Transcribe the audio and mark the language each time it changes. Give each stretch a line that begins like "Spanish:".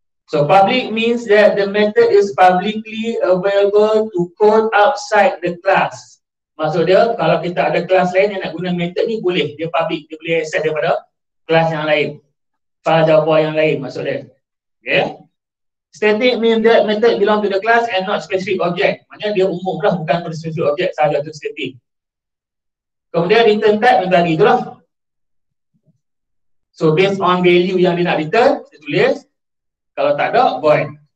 English: So public means that the method is publicly available to code outside the class.
Malay: Maksud dia, kalau kita ada kelas lain yang nak guna method ni, boleh. Dia public. Dia boleh access daripada kelas yang lain. File jawapan yang lain, maksud dia. Okay.
English: Static means that method belong to the class and not specific object.
Malay: Maksudnya dia umum lah, bukan specific object sahaja tu static. Kemudian return type yang tadi tu lah.
English: So based on value
Malay: yang dia nak return, kita tulis. Kalau tak ada, void.